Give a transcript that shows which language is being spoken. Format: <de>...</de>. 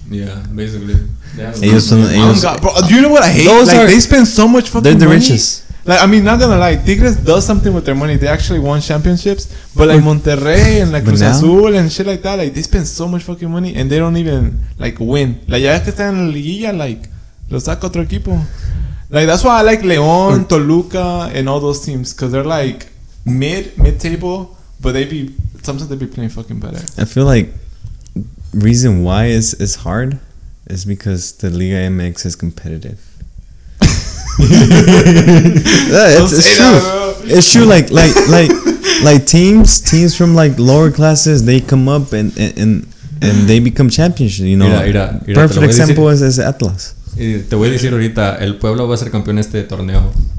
<en>Yeah, basically.</en> <es>Ellos son,</es> <en>bro, do you know what I hate? They spend so much fucking money. They're the richest. Like, I mean, not gonna lie, Tigres does something with their money. They actually won championships. But like Monterrey and like Cruz Azul and shit like that, like they spend so much fucking money and they don't even like win.</en> <es>Like, ya ves que están en la liguilla, like, lo saca otro equipo.</es> <en>Like, that's why I like León, Toluca, and all those teams. Because they're like mid-table, but they be... Sometimes they'd be playing fucking better. I feel like reason why it's hard is because the Liga MX is competitive. It's true. It's true. Like teams from like lower classes, they come up and they become champions. You know,</en> <es>mira,</es> <en>perfect example is Atlas.</en> <es>Y te voy a decir ahorita, el Puebla va a ser campeón este torneo.</es>